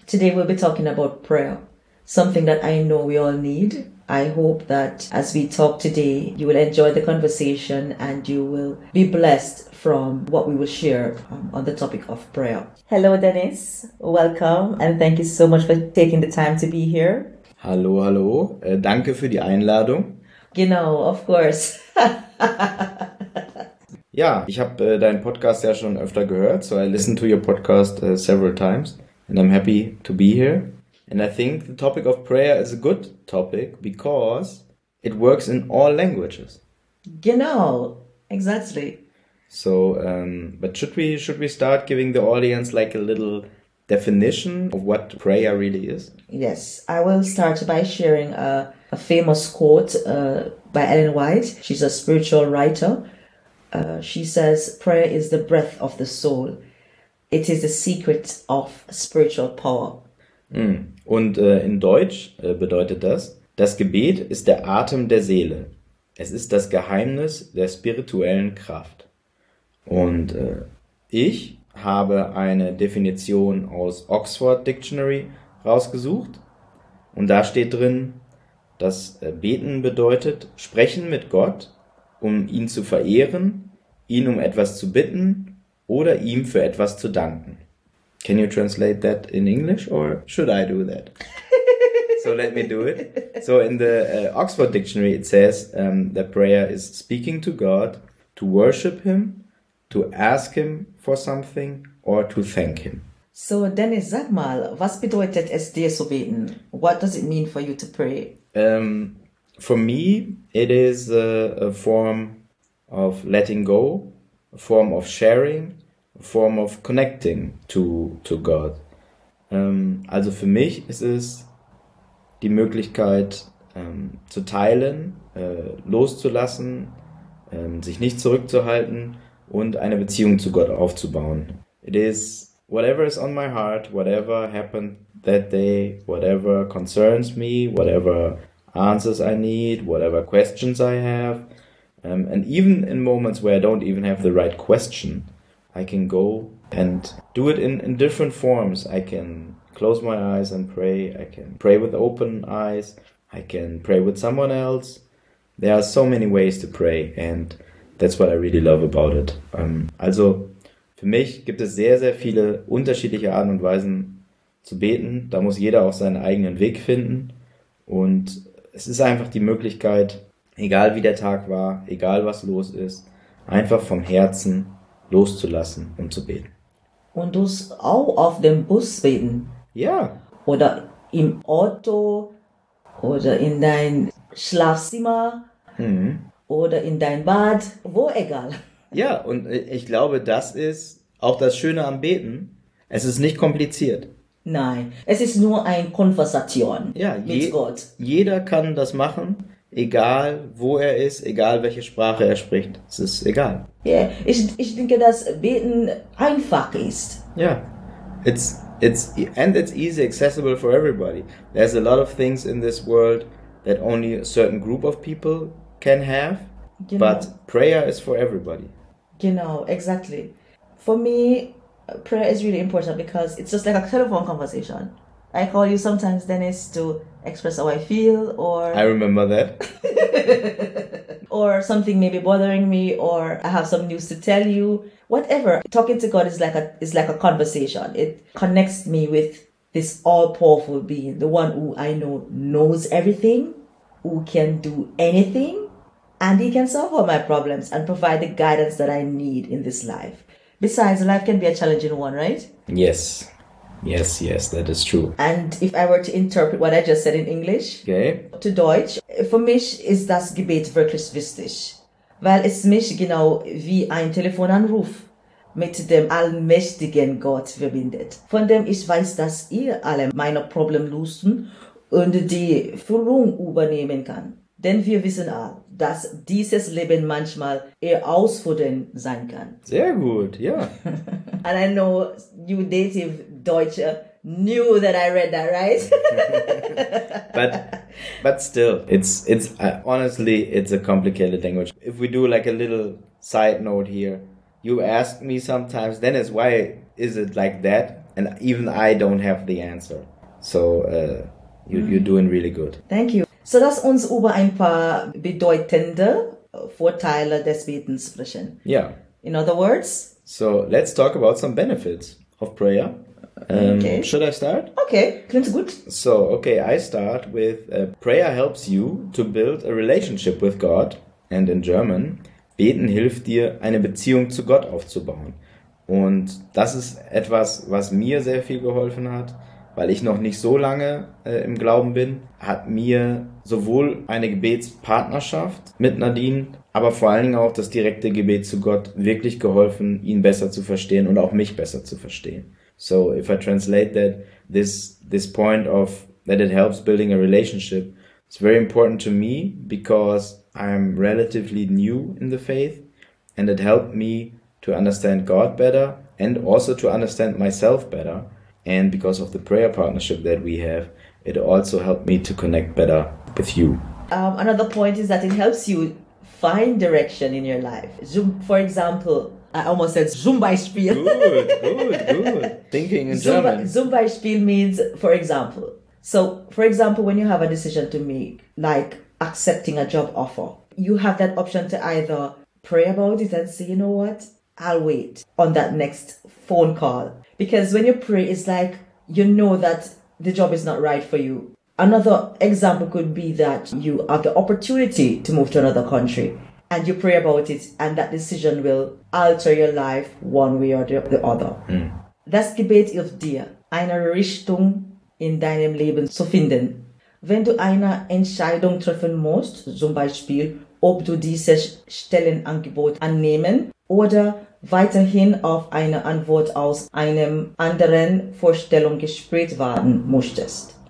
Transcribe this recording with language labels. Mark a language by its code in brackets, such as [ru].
[en] Today, we'll be talking about prayer, something that I know we all need. I hope that as we talk today, you will enjoy the conversation and you will be blessed from what we will share on the topic of prayer. Hello, Dennis. Welcome. And thank you so much for taking the time to be here. [de] Hallo, hallo. Danke für die Einladung. Genau, [en] of course. [de] Ja, ich habe deinen Podcast ja schon öfter gehört. [en] So I listened to your podcast several times and I'm happy to be here. And I think the topic of prayer is a good topic because it works in all languages. [de] Genau, [en] exactly. So, but should we start giving the audience like a little definition of what prayer really is? Yes, I will start by sharing a famous quote by Ellen White. She's a spiritual writer. She says, prayer is the breath of the soul. It is the secret of spiritual power. [de] Und in Deutsch bedeutet das, das Gebet ist der Atem der Seele. Es ist das Geheimnis der spirituellen Kraft. Und ich habe eine Definition aus Oxford Dictionary rausgesucht. Und da steht drin, dass Beten bedeutet, sprechen mit Gott, um ihn zu verehren, ihn um etwas zu bitten oder ihm für etwas zu danken. [en] Can you translate that in English or should I do that? So let me do it. So in the Oxford Dictionary, it says that prayer is speaking to God, to worship him, to ask him for something or to thank him. [de] So Dennis, sag mal, was bedeutet es dir zu beten? [en] What does it mean for you to pray? For me, it is a form of letting go, a form of sharing, form of connecting to God. [de] Also für mich ist es die Möglichkeit zu teilen, loszulassen, sich nicht zurückzuhalten und eine Beziehung zu Gott aufzubauen. [en] It is whatever is on my heart, whatever happened that day, whatever concerns me, whatever answers I need, whatever questions I have. And even in moments where I don't even have the right question, I can go and do it in different forms. I can close my eyes and pray. I can pray with open eyes. I can pray with someone else. There are so many ways to pray and that's what I really love about it. [de] Also für mich gibt es sehr, sehr viele unterschiedliche Arten und Weisen zu beten. Da muss jeder auch seinen eigenen Weg finden. Und es ist einfach die Möglichkeit, egal wie der Tag war, egal was los ist, einfach vom Herzen loszulassen und zu beten. Und du auch auf dem Bus beten? Ja. Oder im Auto oder in dein Schlafzimmer oder in dein Bad, wo egal. Ja, und ich glaube, das ist auch das Schöne am Beten. Es ist nicht kompliziert. Nein, es ist nur eine Konversation, ja, mit Gott. Jeder kann das machen. Egal, wo er ist, egal, welche Sprache er spricht, es ist egal. Ja, [en] yeah, [de] ich denke, dass Beten einfach ist. Ja, [en] yeah. it's easy accessible for everybody. There's a lot of things in this world that only a certain group of people can have, [de] genau. [en] But prayer is for everybody. [de] Genau, [en] exactly. For me, prayer is really important because it's just like a telephone conversation. I call you sometimes Dennis to express how I feel, I remember that. or something may be bothering me, or I have some news to tell you. Whatever. Talking to God is like a conversation. It connects me with this all-powerful being, the one who I know knows everything, who can do anything, and he can solve all my problems and provide the guidance that I need in this life. Besides, life can be a challenging one, right? Yes, that is true. And if I were to interpret what I just said in English Okay. [de] to Deutsch, für mich ist das Gebet wirklich wichtig. Weil es mich genau wie ein Telefonanruf mit dem allmächtigen Gott verbindet, von dem ich weiß, dass er alle meine Probleme lösen und die Führung übernehmen kann. Denn wir wissen auch, dass dieses Leben manchmal herausfordernd sein kann. Sehr gut, ja. [en] And I know you native Deutsche knew that I read that, But still, honestly, it's a complicated language. If we do like a little side note here, you ask me sometimes, Dennis, why is it like that? And even I don't have the answer. So you're doing really good. Thank you. [de] So lass uns über ein paar bedeutende Vorteile des Betens sprechen. [en] Yeah. In other words, So let's talk about some benefits of prayer. Should I start? [de] okay, klingt gut. [en] So, okay, I start with prayer helps you to build a relationship with God. And in German, [de] beten hilft dir, eine Beziehung zu Gott aufzubauen. Und das ist etwas, was mir sehr viel geholfen hat, weil ich noch nicht so lange im Glauben bin. Hat mir sowohl eine Gebetspartnerschaft mit Nadine, aber vor allen Dingen auch das direkte Gebet zu Gott wirklich geholfen, ihn besser zu verstehen und auch mich besser zu verstehen. [en] So, if I translate that, this point of that it helps building a relationship, it's very important to me because I'm relatively new in the faith and it helped me to understand God better and also to understand myself better. And because of the prayer partnership that we have, it also helped me to connect better with you. Another point is that it helps you find direction in your life. Zoom, for example, I almost said Good, good, [de] Zumbeispiel. [en] good. Thinking in German. Zumbeispiel means, for example. So, for example, when you have a decision to make, like accepting a job offer, you have that option to either pray about it and say, you know what, I'll wait on that next phone call. Because when you pray, it's like you know that the job is not right for you. Another example could be that you have the opportunity to move to another country and you pray about it, and that decision will alter your life one way or the other. [de] Das Gebet hilft dir, eine Richtung in deinem Leben zu finden. Wenn du eine Entscheidung treffen musst, zum Beispiel, ob du dieses Stellenangebot annehmen oder weiterhin auf eine Antwort aus einem anderen Vorstellungsgespräch warten musstest.